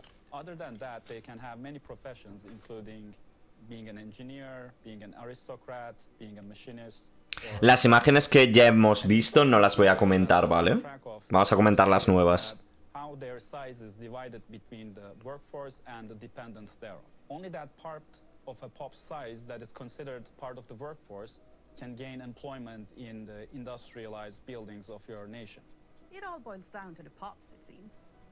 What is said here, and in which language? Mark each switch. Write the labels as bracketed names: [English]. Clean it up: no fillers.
[English] Other than that, they can have many professions, including being an engineer, being an aristocrat, being a machinist. [Spanish] Las imágenes que ya hemos visto no las voy a comentar, ¿vale? Vamos a comentar las nuevas. [English] How their size is divided between the workforce and the dependents thereof. Only that part of a pop's size that is considered part of the workforce can gain employment in the industrialized buildings of your nation. It all boils down to the pops, it seems.